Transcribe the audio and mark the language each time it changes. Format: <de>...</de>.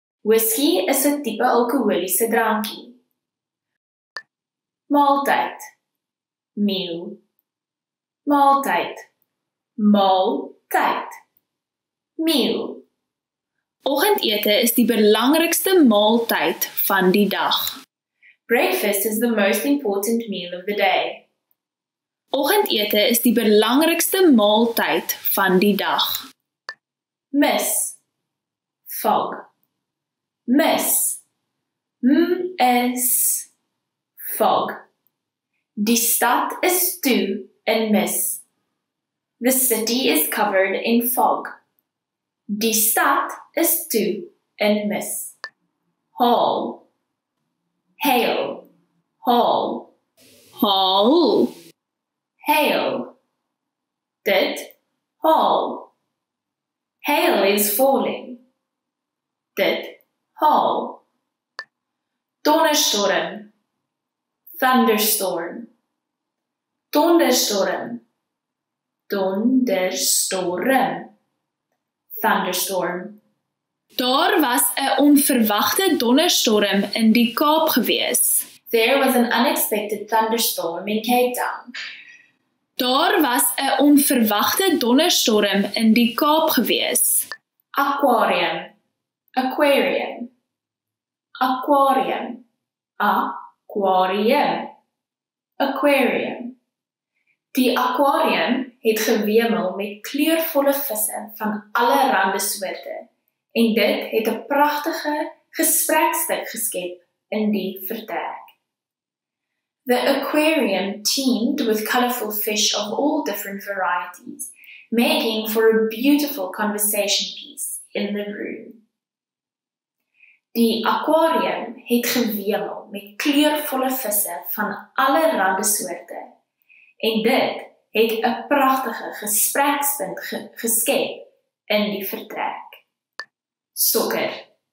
<af>Whisky is 'n tipe alkoholiese drankie. Maaltyd.</af> <en>Meal.</en> <af>Maaltyd. Maaltyd.</af> <en>Meal.</en> <af>Oggendete is die belangrikste maaltyd van die dag.</af> <en>Breakfast is the most important meal of the day.</en> <af>Oggendete is die belangrikste maaltyd van die dag. Mis.</af> <en>Fog.</en> <af>Mis. M-s.</af> <en>Fog.</en> <af>Die stad is toe in mis.</af> <en>The city is covered in fog.</en> <af>Die stad is toe in mis.</af> <en>Hail. Hail. Hail. Hail. Hail.</en> <af>Dit haal.</af> <en>Hail is falling.</en> <af>Dit haal. Donderstorm.</af> <en>Thunderstorm.</en> <af>Donderstorm. Donderstorm.</af> <en>Thunderstorm.</en> <af>Daar was 'n onverwagte donderstorm in die Kaap gewees.</af> <en>There was an unexpected thunderstorm in Cape Town.</en> <af>Daar was 'n onverwagte donderstorm in die Kaap gewees.</af> <en>Aquarium. Aquarium. Aquarium. Aquarium. Aquarium.</en> <af>Die aquarium het gewemel met kleurvolle visse van alle rande soorte en dit het 'n pragtige gesprekstuk geskep in die vertrek.</af> <en>The aquarium teemed with colorful fish of all different varieties, making for a beautiful conversation piece in the room.</en> <af>Die aquarium het gewemel met kleurvolle visse van alle rande soorte, en dit het 'n pragtige gesprekspunt geskep in die vertrek. Sokker.</af>